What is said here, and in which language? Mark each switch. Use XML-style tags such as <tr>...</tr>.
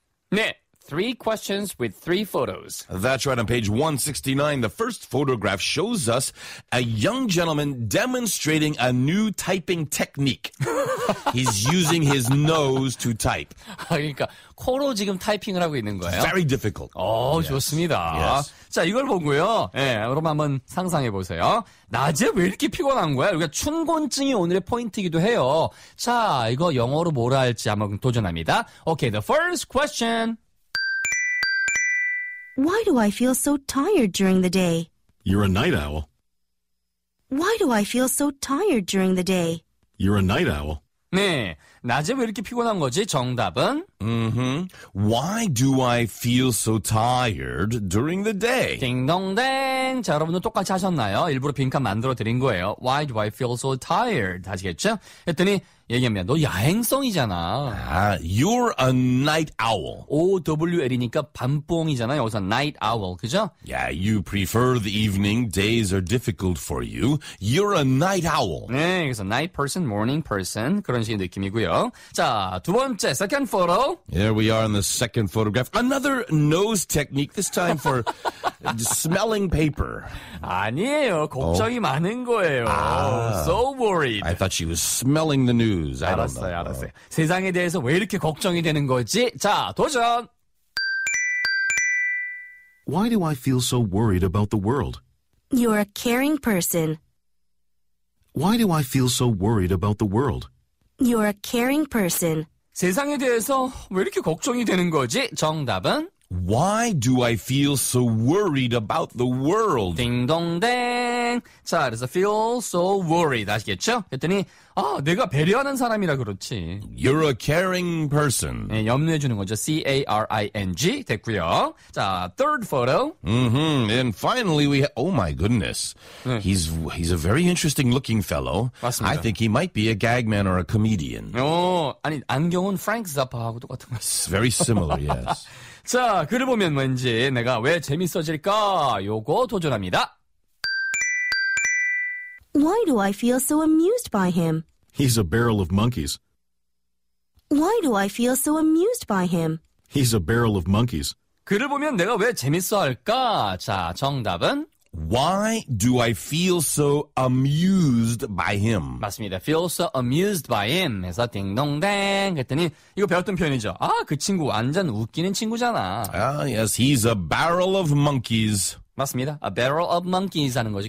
<ko>네.</ko> <en>Three questions with three photos. That's right. On page 169, the first photograph shows us a young gentleman demonstrating a new typing technique. He's using his nose to type.</en> <ko>그러니까 코로 지금 타이핑을 하고 있는 거예요.</ko> <en>Very difficult.</en> <ko>좋습니다. Yes. 자, 이걸 보고요. 예, 여러분 한번 상상해 보세요. 낮에 왜 이렇게 피곤한 거야? 우리가 춘곤증이 오늘의 포인트이기도 해요. 자, 이거 영어로 뭐라 할지 한번 도전합니다.</ko> <en>Okay, the first question. Why do I feel so tired during the day? You're a night owl. Why do I feel so tired during the day? You're a night owl.</en> <ko>네, 낮에 왜 이렇게 피곤한 거지? 정답은? Mm-hmm.</ko> <en>Why do I feel so tired during the day?</en> <ko>딩동댕. 자, 여러분도 똑같이 하셨나요? 일부러 빈칸 만들어 드린 거예요.</ko> <en>Why do I feel so tired?</en> <ko>하시겠죠? 했더니 얘기합니다. 너 야행성이잖아.</ko> <en>You're a night owl.</en> <ko>O-W-L이니까 밤뽕이잖아. 여기서 night owl, 그죠?</ko> <en>Yeah, you prefer the evening. Days are difficult for you. You're a night owl.</en> <ko>네, 그래서 night person, morning person. 그런 식의 느낌이고요. 자, 두 번째, second photo.</ko> <en>Here we are in the second photograph. Another nose technique, this time for smelling paper.</en> <ko>아니에요. 걱정이 많은 거예요.</ko> <en>So worried. I thought she was smelling the news.</en> <ko>알았어요, 알았어요. 세상에 대해서 왜 이렇게 걱정이 되는 거지? 자, 도전!</ko> <en>Why do I feel so worried about the world? You're a caring person. Why do I feel so worried about the world? You're a caring person.</en> <ko>세상에 대해서 왜 이렇게 걱정이 되는 거지? 정답은</ko> <en>Why do I feel so worried about the world?</en> <ko>딩동댕. 자, 그래서</ko> <en>feel so worried</en> <ko>아시겠죠? 그랬더니 아, 내가 배려하는 사람이라 그렇지.</ko> <en>You're a caring person.</en> <ko>네, 염려해 주는 거죠. C-A-R-I-N-G 됐고요.</ko> <en>자, third photo. Mm-hmm. And finally, we have, oh my goodness.</en> <ko>네.</ko> <en>He's a very interesting looking fellow.</en> <ko>맞습니다.</ko> <en>I think he might be a gag man or a comedian.</en> <ko>오, 아니, 안경은 Frank Zappa하고 똑같은 거 같아요.</ko> <en>Very similar, yes.</en> <ko>자, 글을 보면 뭔지 내가 왜 재밌어질까? 요거 도전합니다.</ko> <en>Why do I feel so amused by him? He's a barrel of monkeys. Why do I feel so amused by him? He's a barrel of monkeys.</en> <ko>글을 보면 내가 왜 재밌어할까? 자, 정답은</ko> <en>Why do I feel so amused by him?</en> <ko>맞습니다.</ko> <en>Feel so amused by him.</en> <ko>해서 딩동댕 했더니 이거 배웠던 표현이죠. 아, 그 친구 완전 웃기는 친구잖아.</ko> <en>Yes, he's a barrel of monkeys.</en> <ko>맞습니다.</ko> <en>A barrel of monkeys 하는 거지.</en>